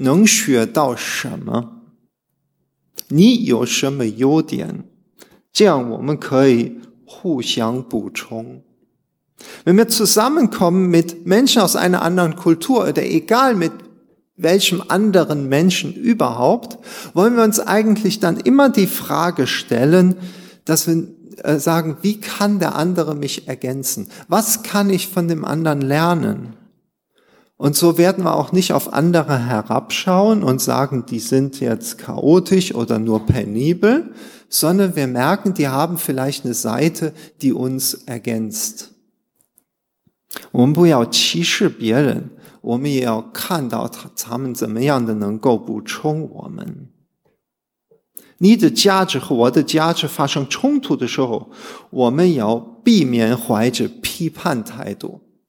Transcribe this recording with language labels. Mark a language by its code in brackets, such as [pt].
[zh] 在跨文化的层面，其实，在所有的人和人之间的接触，我们都要想，我从你那学能学到什么。你有什么优点，这样我们可以互相补充。 [de] Wenn wir zusammenkommen mit Menschen aus einer anderen Kultur oder egal mit welchem anderen Menschen überhaupt, wollen wir uns eigentlich dann immer die Frage stellen, dass wir sagen, wie kann der andere mich ergänzen? Was kann ich von dem anderen lernen? Und so werden wir auch nicht auf andere herabschauen und sagen, die sind jetzt chaotisch oder nur penibel, sondern wir merken, die haben vielleicht eine Seite, die uns ergänzt. [zh] 我们不要歧视别人，我们也要看到他们怎么样的能够补充我们。你的价值和我的价值发生冲突的时候，我们要避免怀着批判态度。